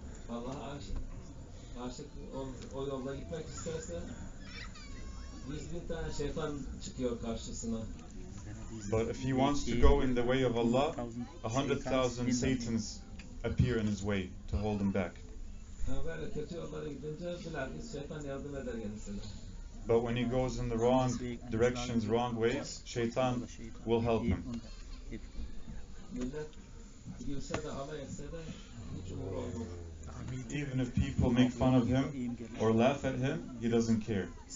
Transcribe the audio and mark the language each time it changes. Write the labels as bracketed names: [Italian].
[Turkish] Allah aşık o yolda gitmek isterse 100.000 tane şeytan çıkıyor karşısına. [English] But if he wants to go in the way of Allah, 100,000 satans appear in his way to hold him back. [Turkish] Böyle kötü yollara gidince bilakis şeytan yardım eder kendisine. [English] But when he goes in the wrong directions, wrong ways, şeytan will help him. [Turkish] Millet gülse de alay etse de hiç umur olmaz. [English] Even if people make fun of him or laugh at him, he doesn't care.